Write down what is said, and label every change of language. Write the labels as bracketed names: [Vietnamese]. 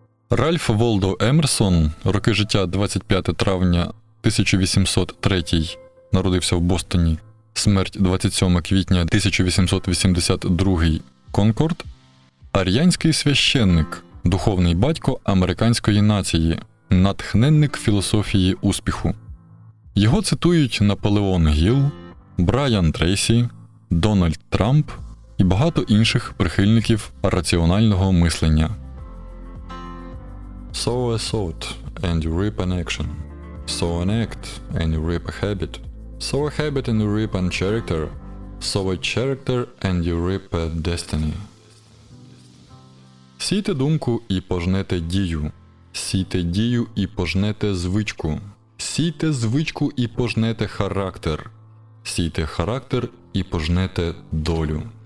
[Ukrainian] Ральф Волдо Емерсон, роки життя 25 травня 1803, народився в Бостоні, смерть 27 квітня 1882, Конкорд, ар'янський священник, духовний батько американської нації – натхненник філософії успіху. Його цитують Наполеон Гіл, Брайан Трейсі, Дональд Трамп і багато інших прихильників раціонального мислення. [English] Sow a thought and you reap an action. Sow an act and you reap a habit. Sow a habit and you reap a character. Sow a character and you reap a destiny. [Ukrainian] Сійте думку і пожнете дію. Сійте дію і пожнете звичку. Сійте звичку і пожнете характер. Сійте характер і пожнете долю.